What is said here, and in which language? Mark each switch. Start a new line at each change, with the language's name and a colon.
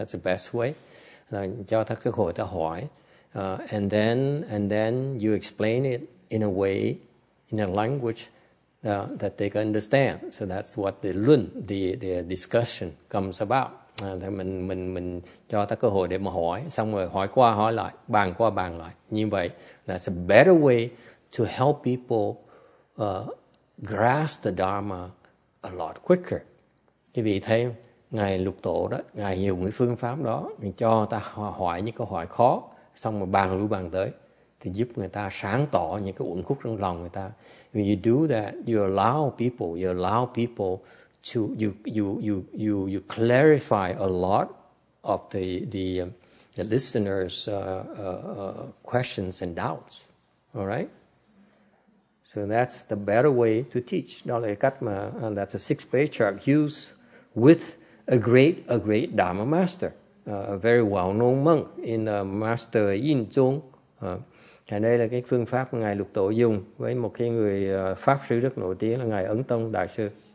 English: That's the best way,
Vietnamese: là cho ta cơ hội ta hỏi.
English: And then you explain it in a way, in a language that they can understand. So that's what the discussion comes about.
Vietnamese: Thì mình cho ta cơ hội để mà hỏi, xong rồi hỏi qua hỏi lại, bàn qua bàn lại. Như vậy,
English: that's a better way to help people grasp the Dharma a lot quicker.
Vietnamese: Thì vì thế, Ngài Lục Tổ đó, Ngài dùng cái phương pháp đó, Ngài cho ta hỏi những câu hỏi khó, xong rồi bàn lui bàn tới, thì giúp người ta sáng tỏ những cái uẩn khúc trong lòng người ta.
English: When you do that, you clarify a lot of the listeners' questions and doubts. All right. So that's the better way to teach.
Vietnamese: Đó là cách mà,
English: and that's a six-page chart used with a great Dharma master, a very well-known monk in Master Yin Zhong.
Vietnamese: Và đây là cái phương pháp Ngài Lục Tổ dùng với một cái người pháp sư rất nổi tiếng là Ngài Ấn Tông Đại Sư.